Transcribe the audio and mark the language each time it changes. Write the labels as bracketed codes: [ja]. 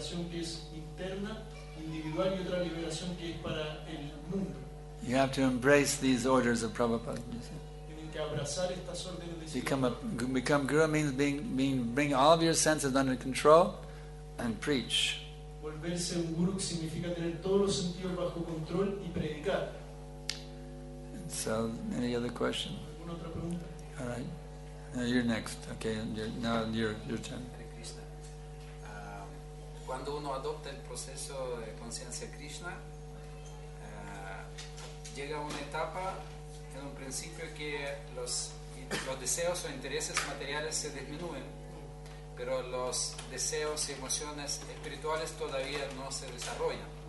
[es] Que es interna, individual, y otra liberación que es para el mundo. [en] You have to embrace these orders of Prabhupada. You see? Become guru means bring all of your senses under control and preach. [es] Volverse un guru significa tener todos los sentidos bajo control y predicar. [en] So, any other question? [es] ¿Alguna otra pregunta? [en] All right. Now you're next. Okay, now your turn. [es] Cuando uno adopta el proceso de conciencia Krishna, llega una etapa en un principio que los deseos o intereses materiales se disminuyen, pero los deseos y emociones espirituales todavía no se desarrollan.